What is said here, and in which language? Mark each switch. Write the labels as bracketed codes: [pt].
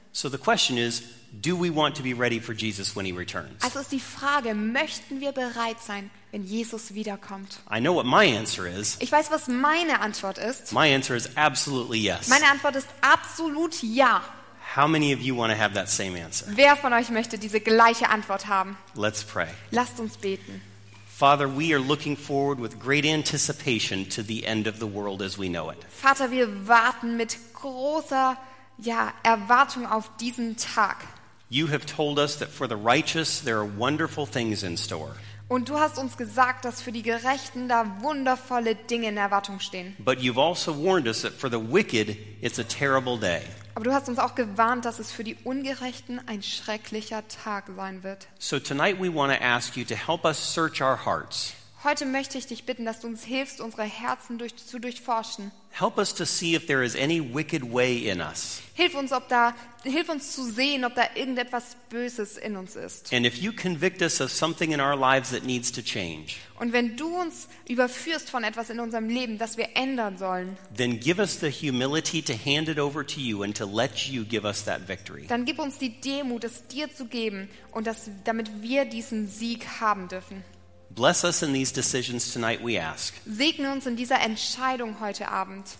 [en] So the question is, do we want to be ready for Jesus when he returns? [de] Also ist die Frage, möchten wir bereit sein, wenn Jesus wiederkommt? [en] I know what my answer is. [de] Ich weiß, was meine Antwort ist. [en] My answer is absolutely yes. [de] Meine Antwort ist absolut ja. [en] How many of you want to have that same answer? [de] Wer von euch möchte diese gleiche Antwort haben? [en] Let's pray. [de] Lasst uns beten. [en] Father, we are looking forward with great anticipation to the end of the world as we know it. [de] Vater, wir warten mit großer Erwartung auf diesen Tag. [en] You have told us that for the righteous there are wonderful things in store. [de] Und du hast uns gesagt, dass für die Gerechten da wundervolle Dinge in Erwartung stehen. [en] But you've also warned us that for the wicked it's a terrible day. [de] Aber du hast uns auch gewarnt, dass es für die Ungerechten ein schrecklicher Tag sein wird. [en] So tonight we want to ask you to help us search our hearts. [de] Heute möchte ich dich bitten, dass du uns hilfst, unsere Herzen zu durchforschen. [en] Help us to see if there is any wicked way in us. [de] Hilf uns zu sehen, ob da irgendetwas Böses in uns ist. [en] And if you convict us of something in our lives that needs to change. [de] Und wenn du uns überführst von etwas in unserem Leben, das wir ändern sollen. [en] Then give us the humility to hand it over to you and to let you give us that victory. [de] Dann gib uns die Demut, es dir zu geben und damit wir diesen Sieg haben dürfen. [en] Bless us in these decisions tonight, we ask. [de] Segne uns in dieser Entscheidung heute Abend.